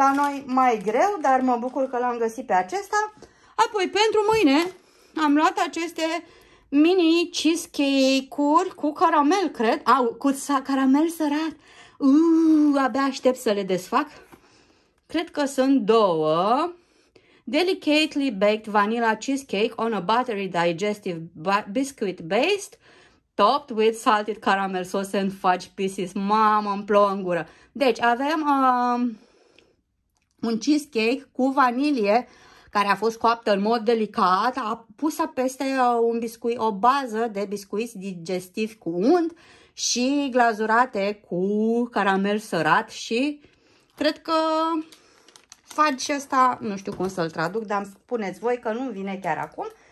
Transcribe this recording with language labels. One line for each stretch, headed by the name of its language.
Romanian: La noi mai greu, dar mă bucur că l-am găsit pe acesta. Apoi, pentru mâine, am luat aceste mini cheesecake-uri cu caramel, cred. Au, cu caramel sărat. Abia aștept să le desfac. Cred că sunt două.
English: Delicately baked vanilla cheesecake on a buttery digestive biscuit based, topped with salted caramel sauce and fudge pieces.
Romanian: Mamă, îmi plouă în gură. Deci avem un cheesecake cu vanilie care a fost coaptă în mod delicat, a pus peste un biscuit, o bază de biscuiți digestivi cu unt și glazurate cu caramel sărat și cred că fudge ăsta, nu știu cum să-l traduc, dar spuneți voi că nu-mi vine chiar acum.